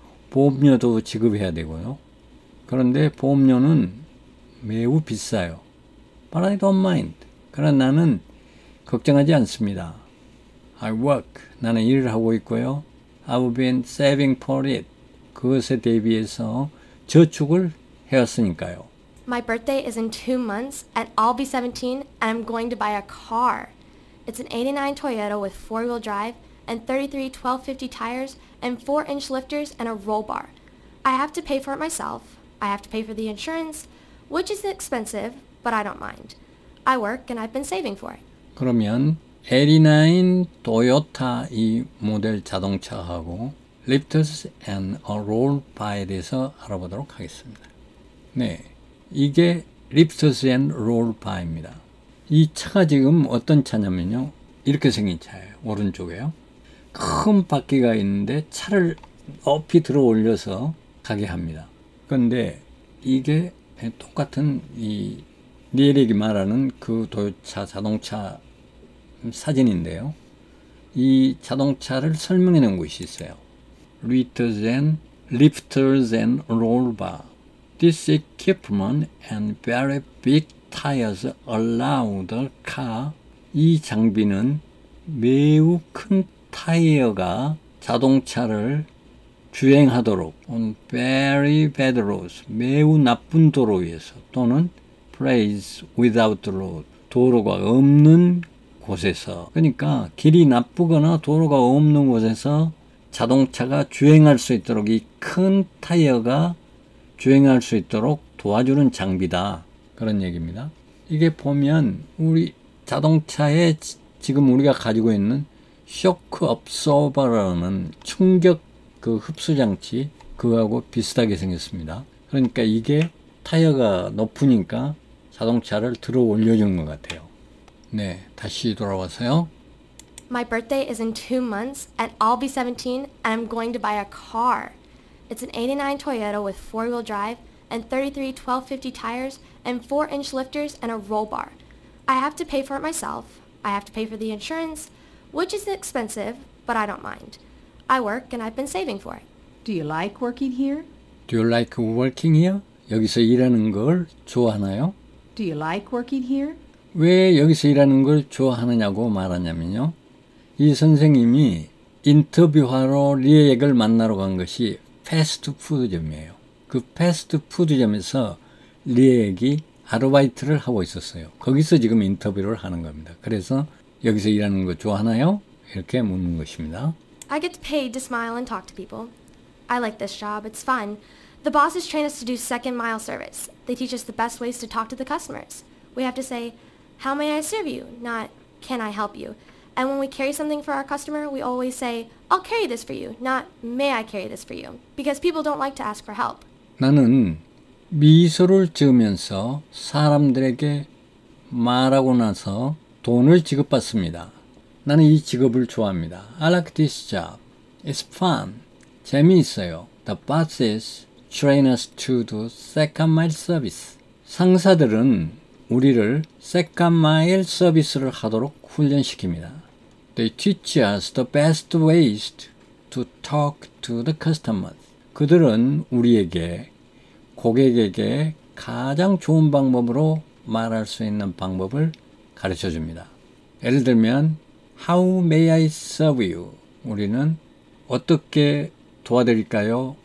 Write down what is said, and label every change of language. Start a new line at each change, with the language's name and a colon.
Korean: 보험료도 지급해야 되고요. 그런데 보험료는 매우 비싸요.
English: But I don't mind.
Korean: 그러나 나는 걱정하지 않습니다.
English: I work.
Korean: 나는 일을 하고 있고요.
English: I've been saving for it.
Korean: 그것에 대비해서 저축을 해왔으니까요.
English: My birthday is in 2 months, and I'll be 17, and I'm going to buy a car. It's an 89 Toyota with 4-wheel drive, and 33 1250 tires, and 4-inch lifters, and a roll bar. I have to pay for it myself. I have to pay for the insurance, which is expensive, but I don't mind. I work, and I've been saving for it.
Korean: 그러면 89 Toyota 이 모델 자동차하고
English: lifters and a roll bar
Korean: 에 대해서 알아보도록 하겠습니다. 네, 이게
English: lifters and roll bar
Korean: 입니다. 이 차가 지금 어떤 차냐면요. 이렇게 생긴 차예요. 오른쪽에요. 큰 바퀴가 있는데 차를 높이 들어 올려서 가게 합니다. 그런데 이게 똑같은 이 니엘이 말하는 그 도요차 자동차 사진인데요. 이 자동차를 설명해 놓은 곳이 있어요.
English: Lifters and lifters and roll bar. This equipment and very big tires allow the car.
Korean: 이 장비는 매우 큰 타이어가 자동차를 주행하도록
English: on very bad roads,
Korean: 매우 나쁜 도로 위에서 또는
English: place without the road,
Korean: 도로가 없는 곳에서 그러니까 길이 나쁘거나 도로가 없는 곳에서 자동차가 주행할 수 있도록 이 큰 타이어가 주행할 수 있도록 도와주는 장비다. 그런 얘기입니다. 이게 보면 우리 자동차에 지금 우리가 가지고 있는 쇼크 업서버라는 충격 그 흡수 장치 그거하고 비슷하게 생겼습니다. 그러니까 이게 타이어가 높으니까 자동차를 들어 올려주는 것 같아요. 네, 다시 돌아와서요.
English: My birthday is in 2 months, and I'll be 17, and I'm going to buy a car. It's an 89 Toyota with 4-wheel drive, and 33 1250 tires, and 4-inch lifters, and a roll bar. I have to pay for it myself. I have to pay for the insurance, which is expensive, but I don't mind. I work, and I've been saving for it. Do you like working here? Do you like working here?
Korean: 여기서 일하는 걸 좋아하나요?
English: Do you like working here?
Korean: 왜 여기서 일하는 걸 좋아하느냐고 말하냐면요. 이 선생님이 인터뷰하러 리액을 만나러 간 것이 패스트푸드점이에요. 그 패스트푸드점에서 리액이 아르바이트를 하고 있었어요. 거기서 지금 인터뷰를 하는 겁니다. 그래서 여기서 일하는 거 좋아하나요? 이렇게 묻는 것입니다.
English: I get paid to smile and talk to people. I like this job. It's fun. The bosses train us to do second mile service. They teach us the best ways to talk to the customers. We have to say, how may I serve you? Not, can I help you? And when we carry something for our customer, we always say, I'll carry this for you, not may I carry this for you, because people don't like to ask for help.
Korean: 나는 미소를 지으면서 사람들에게 말하고 나서 돈을 지급받습니다. 나는 이 직업을 좋아합니다.
English: I like this job. It's fun.
Korean: 재미있어요.
English: The bosses train us to do second mile service.
Korean: 상사들은 우리를
English: second mile service
Korean: 를 하도록 훈련시킵니다.
English: They teach us the best ways to talk to the customers.
Korean: 그들은 우리에게 고객에게 가장 좋은 방법으로 말할 수 있는 방법을 가르쳐 줍니다. 예를 들면,
English: How may I serve you?
Korean: 우리는 어떻게 도와드릴까요?